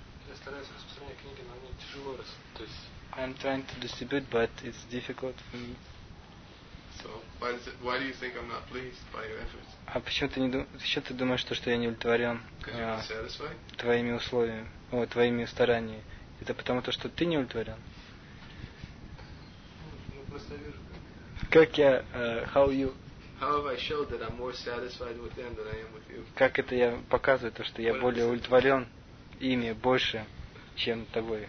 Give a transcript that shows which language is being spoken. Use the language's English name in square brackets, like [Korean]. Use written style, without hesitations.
[Russian] Я стараюсь распространять книги, но они тяжело распространять. [English] I'm trying to distribute, but it's difficult for me. So, why do you think I'm not pleased by your efforts? [Russian] А почему ты не ты думаешь, что я не удовлетворен твоими условиями, твоими стараниями? Это потому, что ты не удовлетворен? Ну, просто я вижу, как я... [English] How you... How have I showed that I'm more satisfied with them than I am with you? [Russian] Как это я показываю то, что я более удовлетворен ими больше, чем тобой?